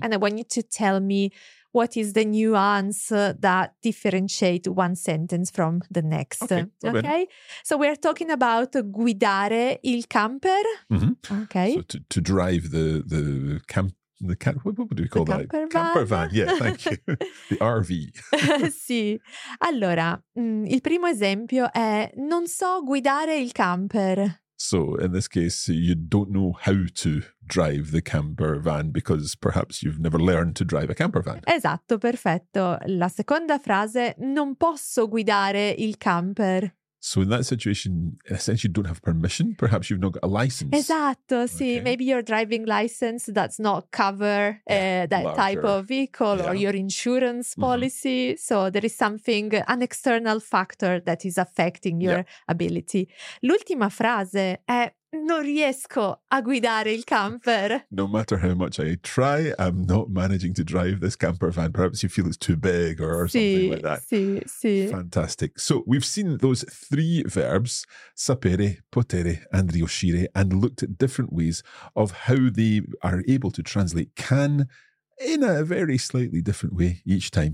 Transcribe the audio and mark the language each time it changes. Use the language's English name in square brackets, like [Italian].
[English] And I want you to tell me, what is the nuance that differentiate one sentence from the next? Okay. So we're talking about [Italian] guidare il camper. Mm-hmm. [English] Okay. So to drive the camper that? Van. Camper van, yeah, thank you. The RV. [Italian] Sì. Allora, il primo esempio è non so guidare il camper. [English] So in this case, you don't know how to drive the camper van because perhaps you've never learned to drive a camper van. [Italian] Esatto, perfetto. La seconda frase, non posso guidare il camper. [English] So in that situation, in a sense, you don't have permission. Perhaps you've not got a license. [Italian] Esatto, sì. Okay. [English] Maybe your driving license does not cover that type of vehicle or your insurance policy. Mm-hmm. So there is something, an external factor that is affecting your ability. [Italian] L'ultima frase è, non riesco a guidare il camper. [English] No matter how much I try, I'm not managing to drive this camper van. Perhaps you feel it's too big or something like that. [Italian] Sì, sì. [English] Fantastic. So we've seen those three verbs, sapere, potere, and riuscire, and looked at different ways of how they are able to translate can in a very slightly different way each time.